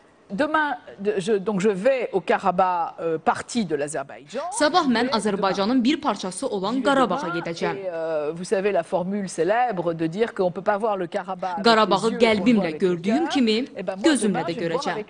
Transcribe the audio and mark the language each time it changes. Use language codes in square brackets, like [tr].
[fr] Demain, je vais au Karabakh, partie de l'Azerbaïdjan. [az] Sabah mən Azərbaycanın bir parçası olan Qarabağa gedəcəm. [fr] Vous savez la formule célèbre de dire qu'on peut pas voir le Karabakh. [az] Qarabağı qəlbimlə gördüyüm kimi gözümlə də görəcəm.